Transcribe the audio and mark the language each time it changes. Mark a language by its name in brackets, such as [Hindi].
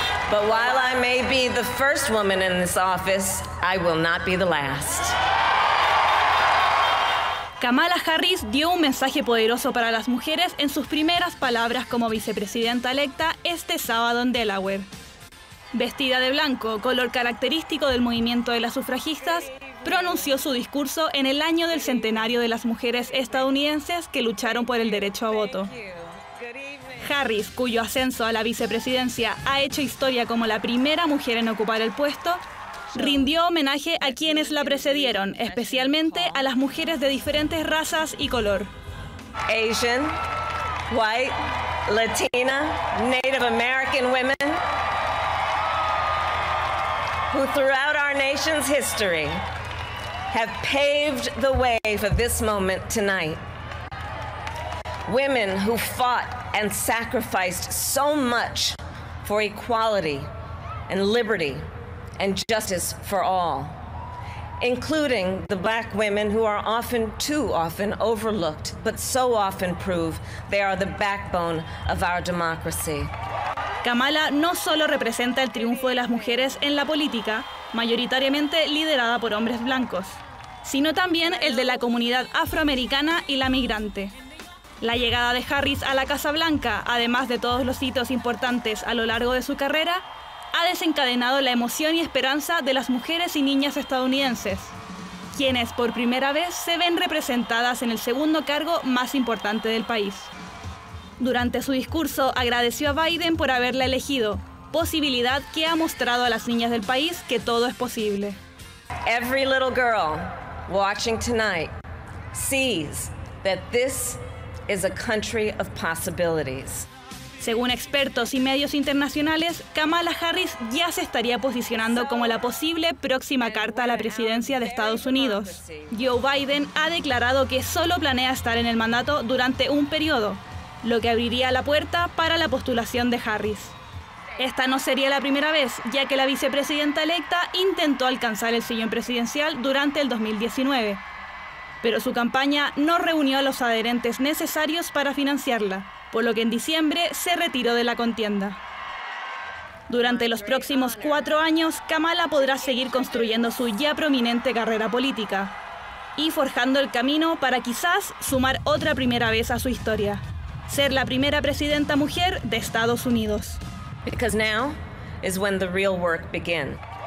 [English] But while I may be the first woman in this office, I will not be the last. [Spanish] Kamala Harris dio un mensaje poderoso para las mujeres en sus primeras palabras como vicepresidenta electa este sábado en Delaware. Vestida de blanco, color característico del movimiento de las sufragistas, pronunció su discurso en el año del centenario de las mujeres estadounidenses que lucharon por el derecho a voto. Harris, cuyo ascenso a la vicepresidencia ha hecho historia como la primera mujer en ocupar el puesto, rindió homenaje a quienes la precedieron, especialmente a las mujeres de diferentes razas y color. [English] Asian, white, Latina, Native American women, who throughout our nation's history have paved the way for this moment tonight. Women who fought and sacrificed so much for equality and liberty and justice for all, including the black women who are often too often overlooked, but so often prove they are the backbone of our democracy. [Spanish] Kamala no solo representa el triunfo de las mujeres en la política, mayoritariamente liderada por hombres blancos, sino también el de la comunidad afroamericana y la migrante. La llegada de Harris a la Casa Blanca, además de todos los hitos importantes a lo largo de su carrera, ha desencadenado la emoción y esperanza de las mujeres y niñas estadounidenses, quienes por primera vez se ven representadas en el segundo cargo más importante del país. Durante su discurso, agradeció a Biden por haberla elegido, posibilidad que ha mostrado a las niñas del país que todo es posible. [English] Every little girl watching tonight sees that this is a country of possibilities. [Spanish] Según expertos y medios internacionales, Kamala Harris ya se estaría posicionando como la posible próxima carta a la presidencia de Estados Unidos. Joe Biden ha declarado que solo planea estar en el mandato durante un periodo, lo que abriría la puerta para la postulación de Harris. Esta no sería la primera vez, ya que la vicepresidenta electa intentó alcanzar el sillón presidencial durante el 2019. Pero su campaña no reunió a los adherentes necesarios para financiarla, por lo que en diciembre se retiró de la contienda. Durante los próximos 4 años, Kamala podrá seguir construyendo su ya prominente carrera política y forjando el camino para quizás sumar otra primera vez a su historia, ser la primera presidenta mujer de Estados Unidos. [English] Because now is when the real work begins.